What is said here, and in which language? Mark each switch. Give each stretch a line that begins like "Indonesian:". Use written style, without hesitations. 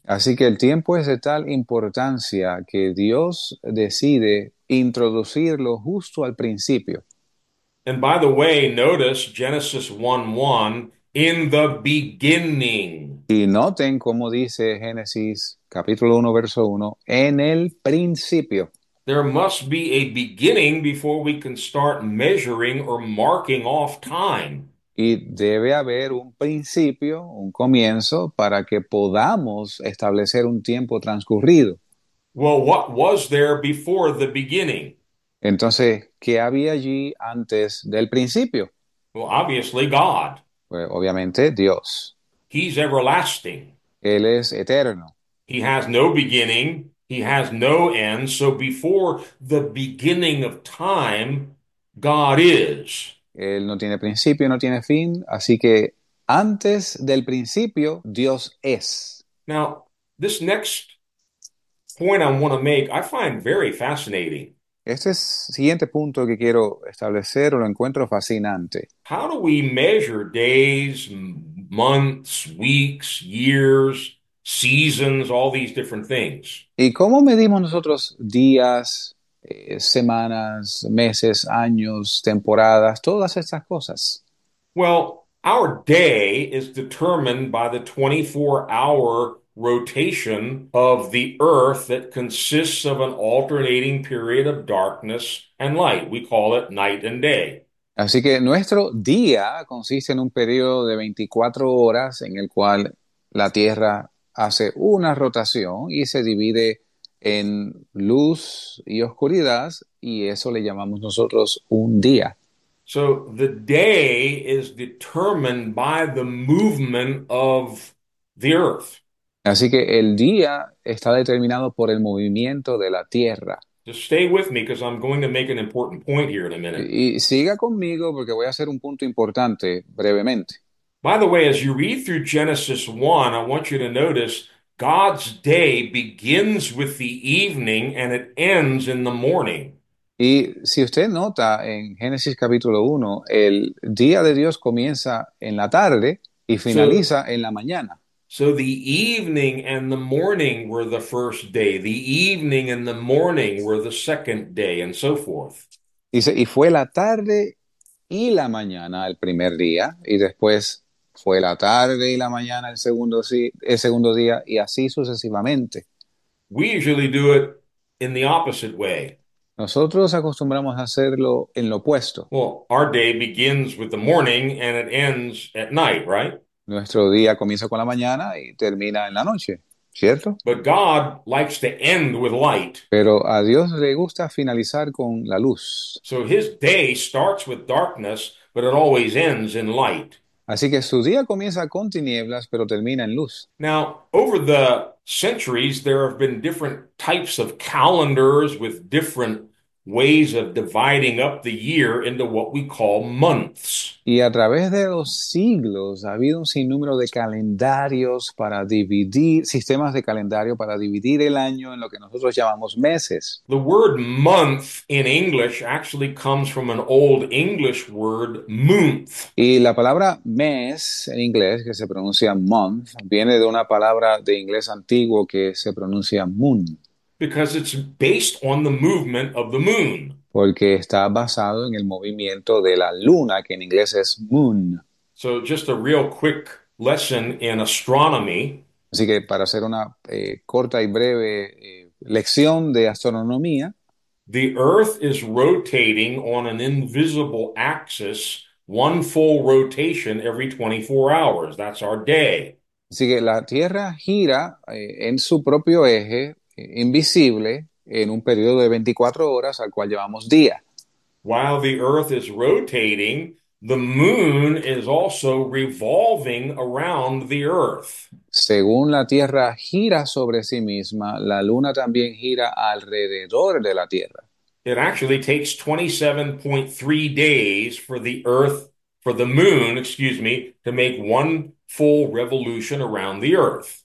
Spanish: Así que el tiempo es de tal importancia que Dios decide introducirlo justo al principio.
English: And by the way, notice Genesis 1:1, in the beginning.
Spanish: Y noten cómo dice Génesis capítulo 1, verso 1, en el principio.
English: There must be a beginning before we can start measuring or marking off time.
Spanish: Y debe haber un principio, un comienzo, para que podamos establecer un tiempo transcurrido.
English: Well, what was there before the beginning?
Spanish: Entonces, ¿qué había allí antes del principio?
English: Well, obviously, God.
Spanish: Pues obviamente Dios.
English: He's everlasting.
Spanish: Él es eterno.
English: He has no beginning. He has no end. So before the beginning of time, God is.
Spanish: Él no tiene principio, no tiene fin, así que antes del principio, Dios es.
English: Now, this next point I want to make, I find very fascinating.
Spanish: Este siguiente punto que quiero establecer lo encuentro fascinante.
English: How do we measure days, months, weeks, years, seasons, all these different things?
Spanish: ¿Y cómo medimos nosotros días, semanas, meses, años, temporadas, todas estas cosas?
English: Well, our day is determined by the 24-hour rotation of the Earth that consists of an alternating period of darkness and light. We call it night and day.
Spanish: Así que nuestro día consiste en un periodo de 24 horas en el cual la Tierra hace una rotación y se divide en luz y oscuridad, y eso le llamamos nosotros un día.
English: So the day is determined by the movement of the earth.
Spanish: Así que el día está determinado por el movimiento de la Tierra.
English: Just stay with me because I'm going to make an important point here in a minute.
Spanish: Y siga conmigo porque voy a hacer un punto importante brevemente.
English: By the way, as you read through Genesis 1, I want you to notice God's day begins with the evening and it ends in the morning.
Spanish: Y si usted nota en Génesis capítulo 1, el día de Dios comienza en la tarde y
English: So,
Spanish: finaliza en la mañana.
English: the evening and the morning were the first day. The evening and the morning were the second day, and so forth.
Spanish: Dice, y fue la tarde y la mañana el primer día, y después fue la tarde y la mañana el segundo día, y así sucesivamente.
English: We usually do it in the opposite way.
Spanish: Nosotros acostumbramos a hacerlo en lo opuesto.
English: Well, our day begins with the morning and it ends at night, right?
Spanish: Nuestro día comienza con la mañana y termina en la noche, ¿cierto?
English: But God likes to end with light.
Spanish: Pero a Dios le gusta finalizar con la luz.
English: So his day starts with darkness, But it always ends in light.
Spanish: Así que su día comienza con tinieblas, pero termina en luz.
English: Now, over the centuries, there have been different types of calendars with different ways of dividing up the year into what we call months.
Spanish: Y a través de los siglos ha habido un sinnúmero de calendarios para dividir, sistemas de calendario para dividir el año en lo que nosotros llamamos meses.
English: The word month in English actually comes from an old English word, month.
Spanish: Y la palabra mes en inglés, que se pronuncia month, viene de una palabra de inglés antiguo que se pronuncia moon.
English: Because it's based on the movement of the moon.
Spanish: Porque está basado en el movimiento de la luna, que en inglés es moon.
English: So just a real quick lesson in astronomy.
Spanish: Así que para hacer una corta y breve lección de astronomía.
English: The Earth is rotating on an invisible axis, one full rotation every 24 hours. That's our day.
Spanish: Así que la Tierra gira en su propio eje invisible en un periodo de 24 horas al cual llamamos día.
English: While the Earth is rotating, the moon is also revolving around the Earth.
Spanish: Según la Tierra gira sobre sí misma, la Luna también gira alrededor de la Tierra.
English: It actually takes 27.3 days for the Earth, for the moon, excuse me, to make one full revolution around the Earth.